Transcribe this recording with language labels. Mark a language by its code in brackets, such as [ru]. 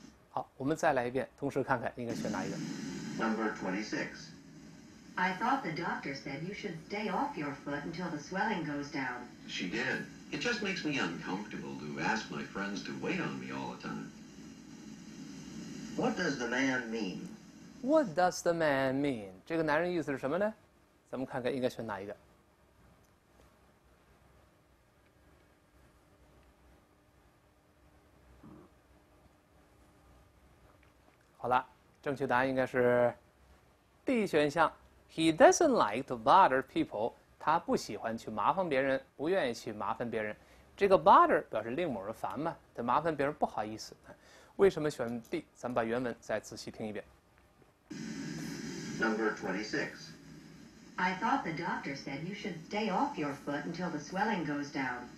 [zh] 好，我们再来一遍，同时看看应该选哪一个。 [en] Number 26. I thought the doctor said you should stay off your foot until the swelling goes down. She did. It just makes me uncomfortable to ask my friends to wait on me all the time. What does the man mean? What does the man mean? [zh] 这个男人意思是什么呢？咱们看看应该选哪一个。好了，正确答案应该是 D 选项。 [en] He doesn't like to bother people. [zh] 他不喜欢去麻烦别人，不愿意去麻烦别人。这个 bother 表示令某人烦嘛，他麻烦别人不好意思。为什么选 D？咱们把原文再仔细听一遍。 [en] Number 26. I thought the doctor said you should stay off your foot until the swelling goes down.